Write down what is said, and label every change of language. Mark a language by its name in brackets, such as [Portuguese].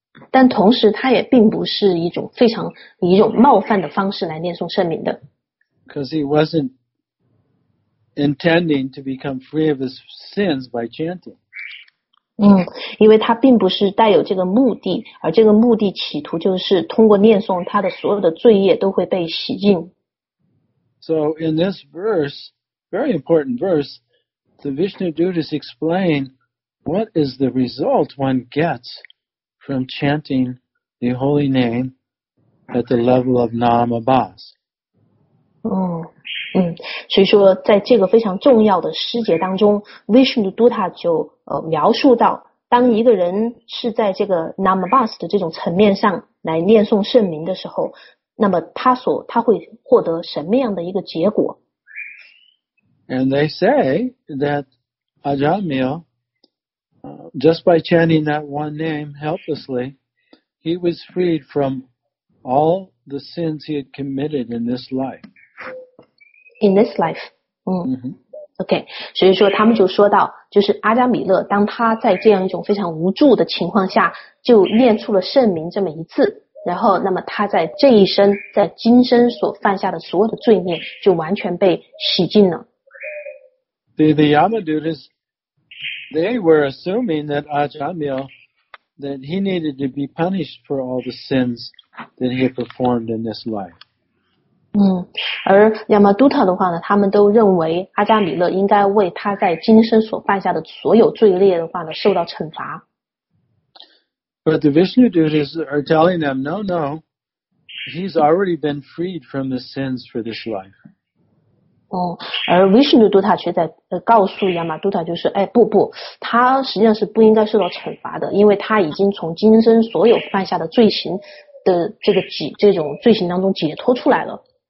[Chinese] 但同时他也并不是一种非常以一种冒犯的方式来念诵圣名的。 [English] Because he wasn't intending to become free of his sins by chanting. [Chinese] 因为他并不是带有这个目的而这个目的企图就是通过念诵他的所有的罪业都会被洗净。 [English] So in this verse, very important verse, the Vishnu Dutas explain what is the result one gets. From chanting the holy name at the level of Nam Abbas. [Chinese] 所以说在这个非常重要的诗节当中 Vishnu Dutta 就描述到当一个人是在这个 Nam Abbas 的这种层面上来念诵圣名的时候那么他会获得什么样的一个结果 [English] And they say that Ajamil,just by chanting that one name helplessly, he was freed from all the sins he had committed in this life. In this life. Okay. [Chinese] 所以说他们就说到就是阿加米勒当他在这样一种非常无助的情况下就念出了圣名这么一次然后那么他在这一生在今生所犯下的所有的罪孽就完全被洗净了。 [English] The Yamadutas,They were assuming that Ajamil, that he needed to be punished for all the sins that he had performed in this life. [Chinese] 而亚玛杜塔的话呢，他们都认为阿加米勒应该为他在今生所犯下的所有罪孽的话呢，受到惩罚。 [English] But the Vishnu Duttas are telling them, no, no, he's already been freed from the sins for this life. [Chinese] 而 Vishnu Dutta 却在告诉 Yama Dutta 就是，哎，不不，他实际上是不应该受到惩罚的，因为他已经从今生所有犯下的罪行的这种罪行当中解脱出来了。